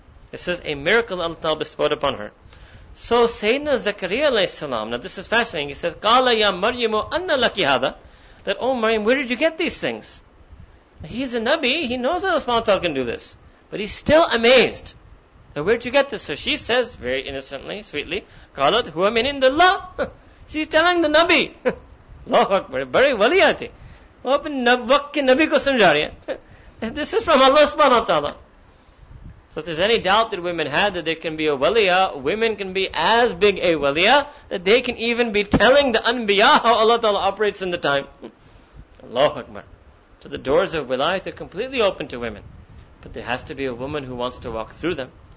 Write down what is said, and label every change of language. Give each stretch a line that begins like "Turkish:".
English: This is a miracle Allah Ta'ala bestowed upon her. So Sayyidina Zakariya alayhi salam, now this is fascinating, he says,
Arabic: Qala ya Maryamu anna laki hada,
English: that, oh Maryam, where did you get these things? He's a Nabi, he knows that Allah Ta'ala can do this. But he's still amazed. Now, where'd you get this? So she says, very innocently, sweetly,
Arabic: Qalat huwa min indallah.
English: She's telling the Nabi.
Urdu: اللہ اکبر، بڑی ولی آتی۔ وہ اپنے وقت کے نبی کو سمجھا رہی ہے۔
English: This is from Allah subhanahu wa ta'ala. So if there's any doubt that women had that they can be a waliya, women can be as big a waliya that they can even be telling the anbiya how Allah Ta'ala operates in the time. Allahu Akbar. So the doors of wilayat are completely open to women. But there has to be a woman who wants to walk through them.